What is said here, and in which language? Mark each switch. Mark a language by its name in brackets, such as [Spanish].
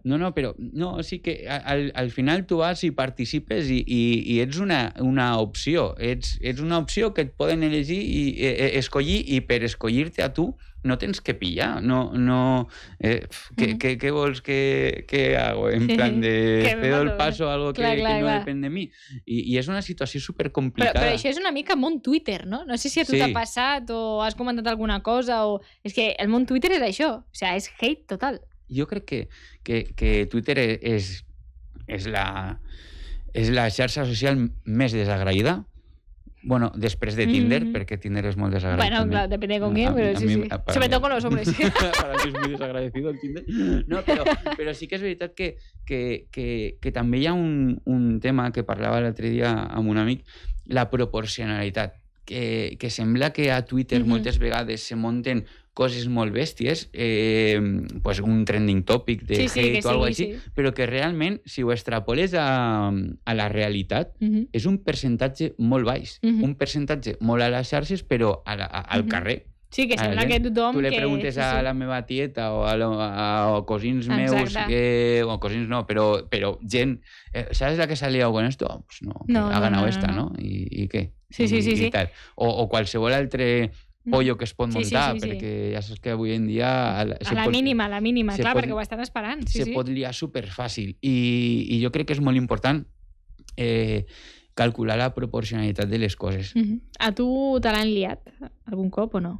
[Catalan] No, però no, sí que al final tu vas i participes i ets una opció, ets una opció que et poden elegir i escollir, i per escollir-te a tu no tens que pillar, què vols que hago? [Spanish] En plan de cedo el paso a algo que no [Catalan] depèn de mi. I és una situació super complicada. Però això és una mica món Twitter, no? No sé si a tu t'ha passat o has comentat alguna cosa o... És que el món Twitter és això, o sigui, és hate total. Jo crec que Twitter és la xarxa social més desagraïda. Bueno, després de Tinder, perquè Tinder és molt desagradable. Bueno, clar, depèn de com qui, però sí. [Spanish] Sobretot con los hombres. Para mí es muy desagradecido el Tinder. [Catalan] No, però sí que és veritat que també hi ha un tema que parlava l'altre dia amb un amic, la proporcionalitat. Que sembla que a Twitter moltes vegades se monten coses molt bèsties, pues un trending topic de hate o algo així, però que realment, si ho extrapoles a la realitat, és un percentatge molt baix, un percentatge molt a les xarxes, però al carrer. Sí, que sembla que tothom... Tu li preguntes a la meva tieta o a cosins meus, o cosins no, però gent... [Spanish] ¿Sabes la que s'ha liado con esto? Pues no, ha ganado esta, ¿no? ¿Y qué? Sí. [Catalan] O qualsevol altre... pollo que es pot muntar, perquè ja saps que avui en dia... A la mínima, clar, perquè ho estan esperant. Se pot liar superfàcil. I jo crec que és molt important calcular la proporcionalitat de les coses. A tu te l'han liat algun cop o no?